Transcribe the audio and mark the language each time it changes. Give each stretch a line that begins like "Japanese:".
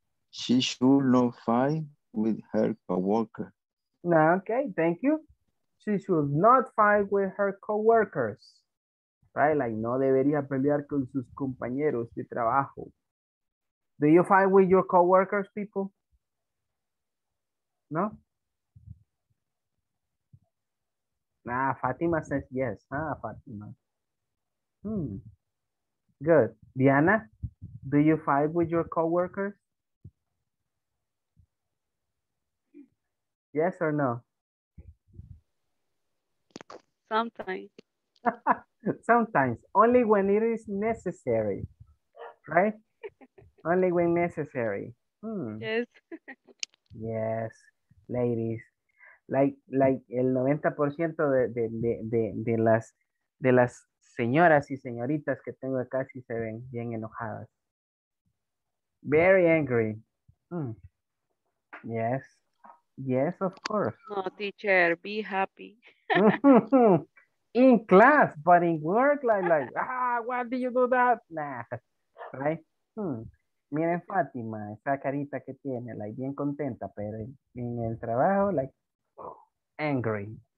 English: She should not fight with her co-worker. Okay, thank you. She should not fight with her co-workers.
Spanish: Right, like no debería pelear con sus compañeros de trabajo.
English: Do you fight with your co-workers, people? No? Nah, Fatima says yes. Ah, Fatima. Good. Diana, do you fight with your co-workers? Yes or no? Sometimes. Sometimes, only when it is necessary, right? Only when necessary. Yes. Yes, ladies.
Spanish: Like el 90% de las señoras y señoritas que tengo acá sí se ven bien enojadas.
English: Very angry. Yes. Yes, of course. No, teacher, be happy. In class, but in work, why did you do that? Nah, right?
Spanish: Miren Fátima, esa carita que tiene, like, bien contenta, pero en el trabajo, like, angry.